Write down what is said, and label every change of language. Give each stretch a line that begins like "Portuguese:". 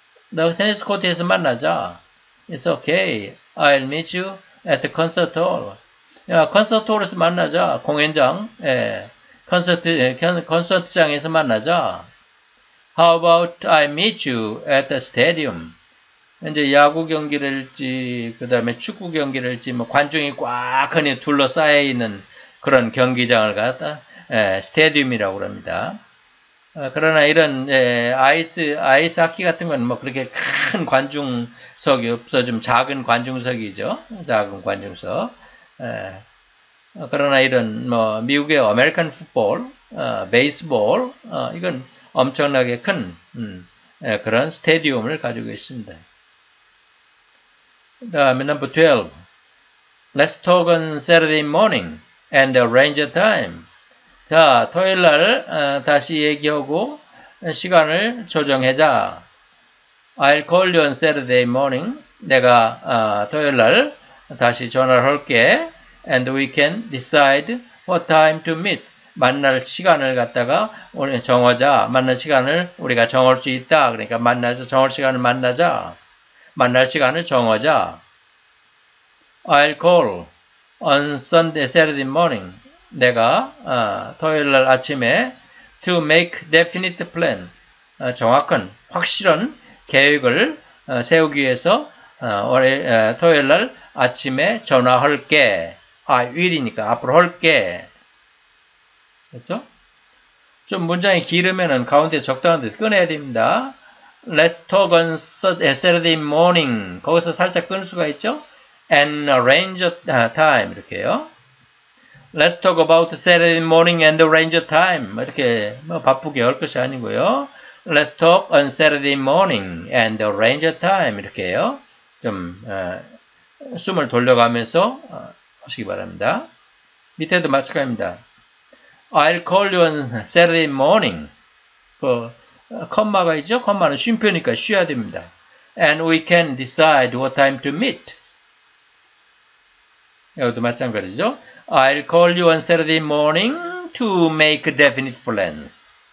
Korean: 너 테니스 코트에서 만나자.
English: It's okay. I'll meet you at the concert hall.
Korean: 야, 콘서트 홀에서 만나자. 공연장. 예. 콘서트장에서 만나자.
English: How about I meet you at the stadium?
Korean: 이제 야구 경기를 할지, 그 다음에 축구 경기를 할지, 뭐 관중이 꽉 흔히 둘러싸여 있는 그런 경기장을 갖다, 예, 스테디움이라고 합니다. 그러나 이런, 예, 아이스 하키 같은 건 뭐 그렇게 큰 관중석이 없어. 좀 작은 관중석이죠. 작은 관중석. 예. 그러나 이런 뭐 미국의 아메리칸 풋볼, 베이스볼, 이건 엄청나게 큰 예, 그런 스테디움을 가지고 있습니다. 다음에
English: number 12. Let's talk on Saturday morning and arrange a time.
Korean: 자, 토요일 날 다시 얘기하고 시간을 조정하자.
English: I'll call you on Saturday morning.
Korean: 내가 토요일 날 다시 전화를 할게.
English: And we can decide what time to meet.
Korean: 만날 시간을 갖다가 정하자. 만날 시간을 우리가 정할 수 있다. 그러니까 만나자. 정할 시간을 만나자. 만날 시간을 정하자.
English: I'll call on Sunday, Saturday morning.
Korean: 내가 토요일 날 아침에
English: to make definite plan.
Korean: 정확한 확실한 계획을 세우기 위해서 토요일 날 아침에 전화할게.
English: I will
Korean: 이니까 앞으로 할게. 됐죠? 좀 문장이 길으면은 가운데 적당한데 끊어야 됩니다.
English: Let's talk on Saturday morning.
Korean: 거기서 살짝 끊을 수가 있죠?
English: And arrange a time.
Korean: 이렇게요.
English: Let's talk about Saturday morning and arrange a time.
Korean: 이렇게 뭐 바쁘게 할 것이 아니고요.
English: Let's talk on Saturday morning and arrange a time.
Korean: 이렇게요. 좀 숨을 돌려가면서 하시기 바랍니다. 밑에도 마찬가지입니다.
English: I'll call you on Saturday morning.
Korean: 그 콤마가 있죠? 콤마는 쉼표니까 쉬어야 됩니다.
English: And we can decide what time to meet.
Korean: 이것도 마찬가지죠.
English: I'll call you on Saturday morning to make definite plans.